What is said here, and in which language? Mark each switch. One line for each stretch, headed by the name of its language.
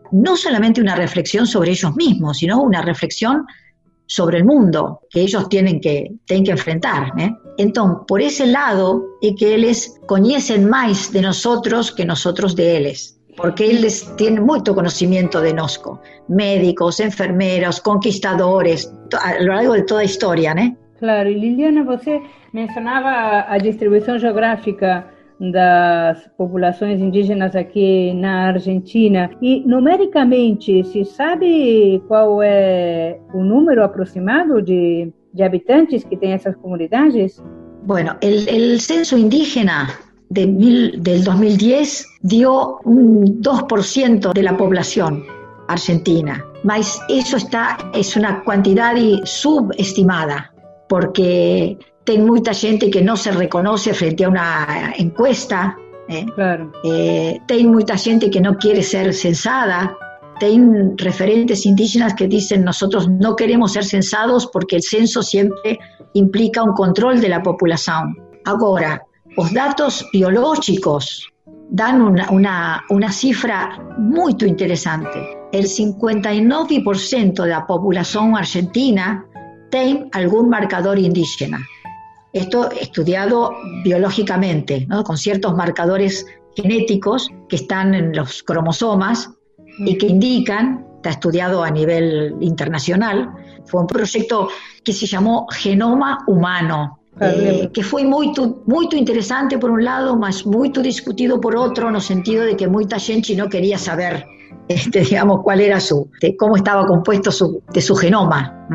Spanish: No solamente una reflexión sobre ellos mismos, sino una reflexión sobre el mundo que ellos tienen que enfrentar, ¿eh? Entonces, por ese lado es que ellos conocen más de nosotros que nosotros de ellos, porque ellos tienen mucho conocimiento de nosco, médicos, enfermeros, conquistadores, a lo largo de toda la historia, ¿eh?
Portuguese: Claro, Liliana, você mencionaba a distribución geográfica das populações indígenas aqui na Argentina. E, numericamente, se sabe qual é o número aproximado de habitantes que têm essas comunidades?
Spanish: Bueno, el censo indígena del 2010 dio un 2% de la población argentina. Mas eso es una cantidad subestimada,
Portuguese: porque tem muita gente que não se reconhece frente a uma encuesta, né? Claro. Tem muita gente que não quer ser censada, tem referentes indígenas que dizem: nós não queremos ser censados porque o censo sempre implica um controle da população. Agora, os dados biológicos dão uma cifra muito interessante. O 59% da população argentina tem algum marcador indígena.
Spanish: Esto estudiado biológicamente, ¿no? Con ciertos marcadores genéticos que están en los cromosomas y que indican, está estudiado a nivel internacional, fue un proyecto que se llamó Genoma Humano, que fue muy interesante por un lado, mas muy discutido por otro, en el sentido de que mucha gente no quería saber, digamos, cuál era cómo estaba compuesto su genoma.